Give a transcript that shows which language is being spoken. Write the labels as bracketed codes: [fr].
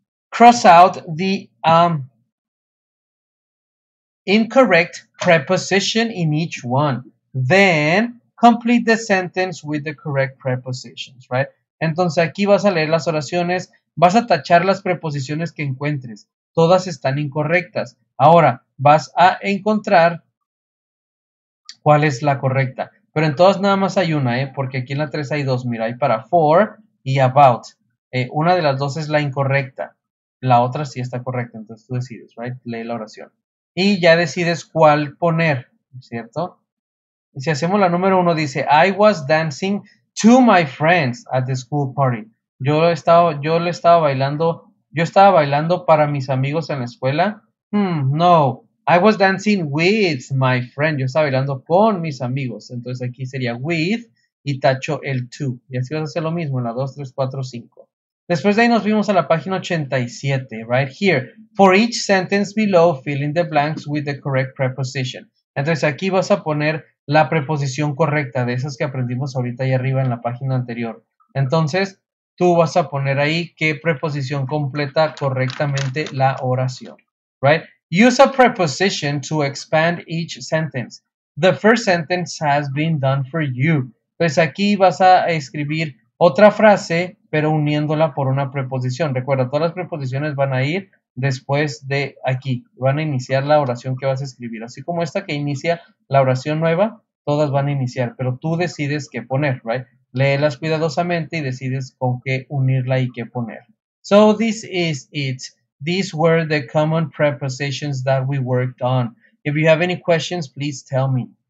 [en] Cross out the incorrect preposition in each one. Then complete the sentence with the correct prepositions, right? [es] Entonces, aquí vas a leer las oraciones, vas a tachar las preposiciones que encuentres. Todas están incorrectas. Ahora, vas a encontrar cuál es la correcta. Pero en todas nada más hay una, porque aquí en la 3 hay dos. Mira, hay para for y about. Una de las dos es la incorrecta. La otra sí está correcta. Entonces, tú decides, right? Lee la oración. Y ya decides cuál poner, ¿cierto? Si hacemos la número uno, dice, [en] I was dancing to my friends at the school party. [es] Yo estaba bailando para mis amigos en la escuela. [en] No, I was dancing with my friend. [es] Yo estaba bailando con mis amigos. Entonces aquí sería with y tacho el to. Y así vas a hacer lo mismo en la 2, 3, 4, 5. Después de ahí nos vimos a la página 87, [en] right here. For each sentence below, fill in the blanks with the correct preposition. [es] Entonces aquí vas a poner la preposición correcta, de esas que aprendimos ahorita ahí arriba en la página anterior. Entonces, tú vas a poner ahí qué preposición completa correctamente la oración, [en] right? Use a preposition to expand each sentence. The first sentence has been done for you. [es] Pues aquí vas a escribir otra frase, pero uniéndola por una preposición. Recuerda, todas las preposiciones van a ir después de aquí, van a iniciar la oración que vas a escribir. Así como esta que inicia la oración nueva, todas van a iniciar, pero tú decides qué poner, [en] right? [es] Léelas cuidadosamente y decides con qué unirla y qué poner. [en] So this is it. These were the common prepositions that we worked on. If you have any questions, please tell me.